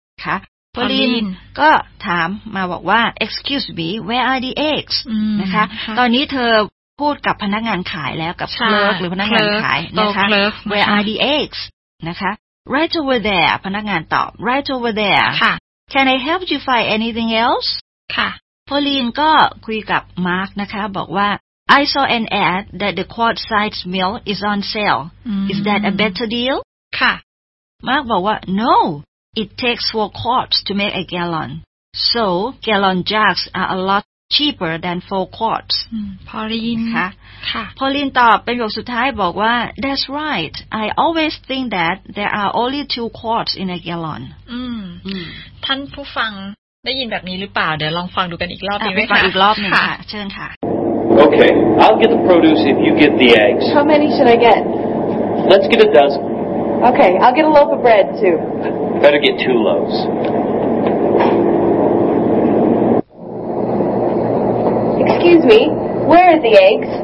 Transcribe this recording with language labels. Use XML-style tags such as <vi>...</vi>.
<th>ค่ะพอลินก็ถามมาบอกว่า</th> <en>Excuse me, where are the eggs</en> <th>นะคะตอนนี้เธอพูดกับพนักงานขายแล้วกับเคลิร์กหรือพนักงานขายนะคะ</th> <en>Where are the eggs</en> <th>นะคะ</th> <en>Right over there</en> <th>พนักงานตอบ</th> <en>Right over there</en> <th>ค่ะ</th> <en>Can I help you find anything else</en> <th>ค่ะ พอลินก็คุยกับมาร์กนะคะบอกว่า</th> <en>I saw an ad that the quart size milk is on sale. Is that a better deal?</en> <th>ค่ะ</th> <en>Mark</en> <th>บอกว่า</th> <en>No, it takes 4 quarts to make a gallon. So gallon jugs are a lot cheaper than 4 quarts. Pauline</en> <th>ค่ะ ค่ะ Pauline ตอบเป็นประโยคสุดท้ายบอกว่า</th> <en>That's right. I always think that there are only 2 quarts in a gallon.</en> <th>ท่านผู้ฟังได้ยินแบบนี้หรือเปล่าเดี๋ยวลองฟังดูกันอีกรอบดีไหมคะ ฟังอีกรอบนึงค่ะเชิญค่ะ</th> <en>Okay, I'll get the produce if you get the eggs. How many should I get? Let's get a dozen. Okay, I'll get a loaf of bread, too. Better get two loaves. Excuse me, where are the eggs?</en>